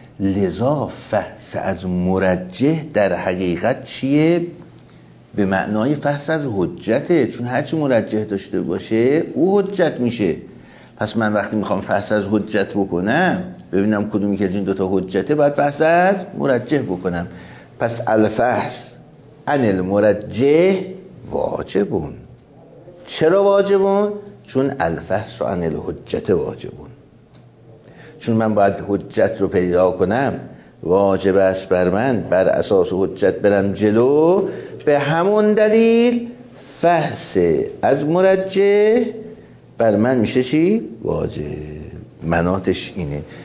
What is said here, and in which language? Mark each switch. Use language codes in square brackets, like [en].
[fa] لذا فحص از مرجح در حقیقت چیه؟ به معنای فحص از حجته، چون هرچی مرجح داشته باشه او حجت میشه. پس من وقتی میخوام فحص از حجت بکنم، ببینم کدومی که از این دوتا حجته، باید فحص از مرجح بکنم. [ar] پس الفحص عن المرجح واجبون. [fa] چرا واجبون؟ چون [ar] الفحص عن الحجت واجبون، [fa] چون من باید حجت رو پیدا کنم، واجب است بر من بر اساس حجت برم جلو. به همون دلیل فحص از مرجح بر من میشه چی؟ واجب. مناطش اینه.